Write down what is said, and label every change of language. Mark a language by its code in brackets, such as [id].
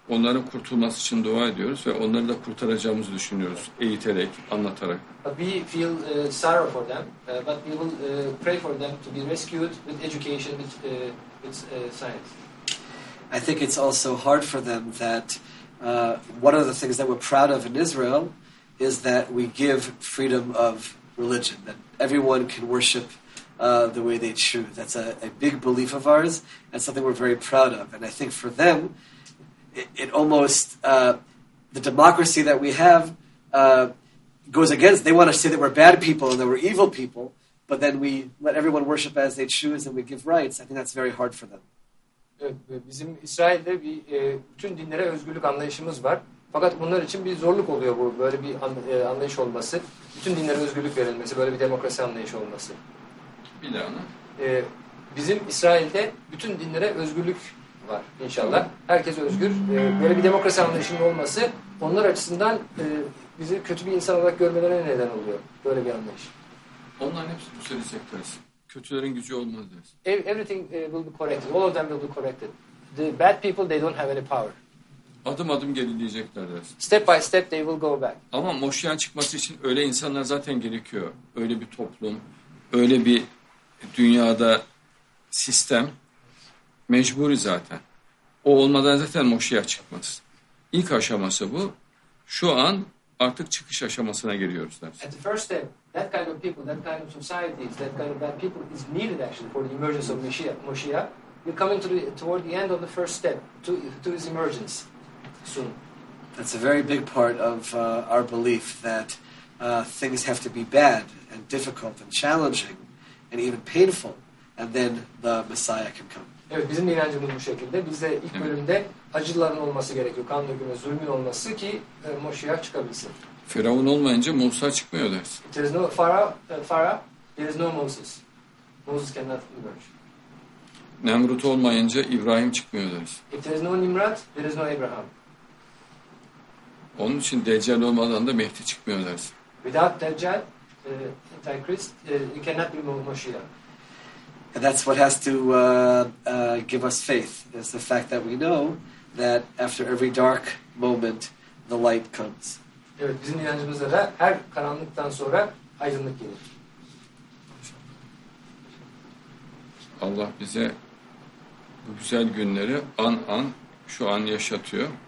[tr] Onların kurtulması için dua ediyoruz ve onları da kurtaracağımızı düşünüyoruz, eğiterek, anlatarak. [en] We feel sorrow for them, but we will pray for them to be rescued with education, with science. I think it's also hard for them that one of the things that we're proud of in Israel is that we give freedom of religion, that everyone can worship the way they choose. That's a big belief of ours and something we're very proud of. And I think for them, it almost the democracy that we have goes against. They want to say that we're bad people and that we're evil people, but then we let everyone worship as they choose and we give rights. I think that's very hard for them. [tr] Bizim İsrail'de bir bütün dinlere özgürlük anlayışımız var. Fakat bunlar için bir zorluk oluyor bu böyle bir anlayış olması, bütün dinlere özgürlük verilmesi, böyle bir demokrasi anlayışı olması. Bir daha bizim İsrail'de bütün dinlere özgürlük var inşallah. Herkes özgür. Böyle bir demokrasi anlayışının olması onlar açısından bizi kötü bir insan olarak görmelerine neden oluyor. Böyle bir anlayış. Onların hepsi bu söyleyecek tarzı. Kötülerin gücü olmaz deriz. [en] Everything will be corrected. All of them will be corrected. The bad people, they don't have any power. [tr] Adım adım gelin diyecekler deriz. [en] Step by step they will go back. [tr] Ama Moşiyah'ın çıkması için öyle insanlar zaten gerekiyor. Öyle bir toplum, öyle bir dünyada sistem. Mecburi zaten. O olmadan zaten Moşiyah çıkmaz. İlk aşaması bu. Şu an artık çıkış aşamasına giriyoruz. [en] At the first step, that kind of people, that kind of societies, that kind of bad people is needed actually for the emergence of Moshiach. You're coming to toward the end of the first step to his emergence soon. That's a very big part of our belief that things have to be bad and difficult and challenging and even painful, and then the Messiah can come. [tr] Evet, bizim inancımız bu şekilde. Bizde ilk bölümde acıların olması gerekiyor. Kan dökümü, zulmün olması ki Moşiyah çıkabilsin. Firavun olmayınca Musa çıkmıyor dersin. [en] There is no Farah, there is no Moses. Moses cannot emerge. [tr] Nemrut olmayınca İbrahim çıkmıyor dersin. [en] If there is no Nimrat, there is no Abraham. [tr] Onun için Deccal olmadan da Mehdi çıkmıyor dersin. [en] Without Deccal, Antichrist, you cannot be Moşiyah. And that's what has to give us faith, is the fact that we know that after every dark moment, the light comes. [tr] Evet, bizim inancımızda da her karanlıktan sonra aydınlık gelir. Allah bize bu güzel günleri an an, şu an yaşatıyor.